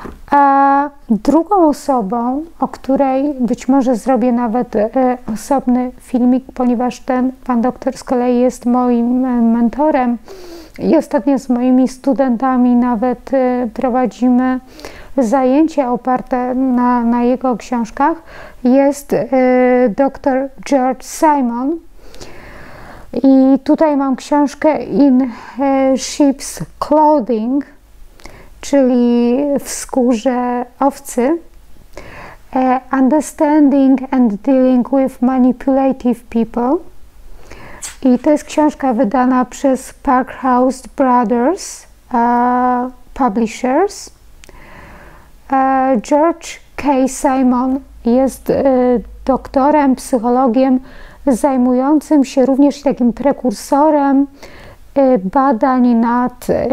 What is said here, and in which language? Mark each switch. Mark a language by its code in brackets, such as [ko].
[pl] A drugą osobą, o której być może zrobię nawet osobny filmik, ponieważ ten pan doktor z kolei jest moim mentorem i ostatnio z moimi studentami nawet prowadzimy zajęcia oparte na jego książkach, jest dr George Simon. I tutaj mam książkę In Sheep's Clothing, czyli w skórze owcy. [en] Understanding and Dealing with Manipulative People. [pl] I to jest książka wydana przez Parkhouse Brothers Publishers. George K. Simon jest doktorem, psychologiem zajmującym się również takim prekursorem badań nad